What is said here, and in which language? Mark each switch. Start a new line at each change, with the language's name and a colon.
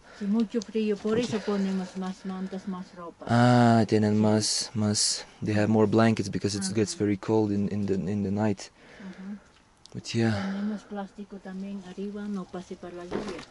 Spanish: Sí, mucho frío, por eso ponemos más mantas, más ropa. Ah, tienen más.
English: They have more blankets because it gets very cold in the night. Uh-huh. But yeah.
Spanish: Tenemos plástico también arriba, no pase para la lluvia.